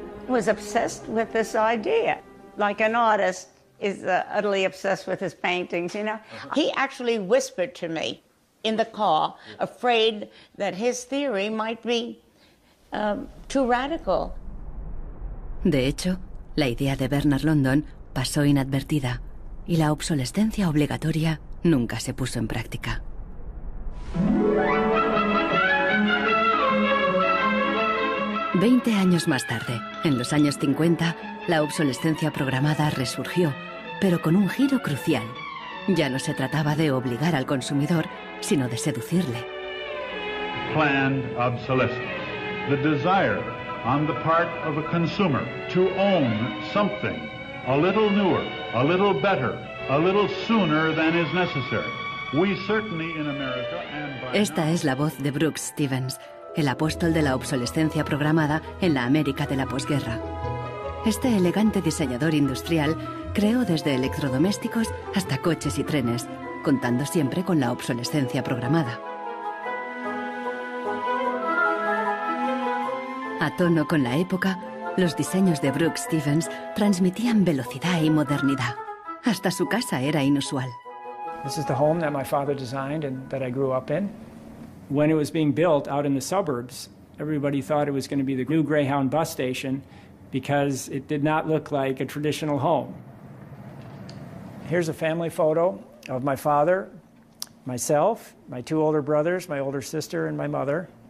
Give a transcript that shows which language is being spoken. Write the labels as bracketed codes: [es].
[en] He was obsessed with this idea, like an artist. Utterly obsessed with his paintings, you know. Uh-huh. He actually whispered to me in the car, afraid that his theory might be too radical. [es] De hecho, la idea de Bernard London pasó inadvertida y la obsolescencia obligatoria nunca se puso en práctica. 20 años más tarde, en los años 50, la obsolescencia programada resurgió, pero con un giro crucial. Ya no se trataba de obligar al consumidor, sino de seducirle. [en] Planned obsolescence. The desire on the part of a consumer to own something a little newer, a little better, a little sooner than is necessary. We certainly in America and by [es] Esta [en] now... [es] es la voz de Brooks Stevens, el apóstol de la obsolescencia programada en la América de la posguerra. Este elegante diseñador industrial creó desde electrodomésticos hasta coches y trenes, contando siempre con la obsolescencia programada. A tono con la época, los diseños de Brooks Stevens transmitían velocidad y modernidad. Hasta su casa era inusual. [en] This is the home that my father designed and that I grew up in. When it was being built out in the suburbs, everybody thought it was going to be the new Greyhound bus station because it did not look like a traditional home. Here's a family photo of my father, myself, my two older brothers, my older sister, and my mother.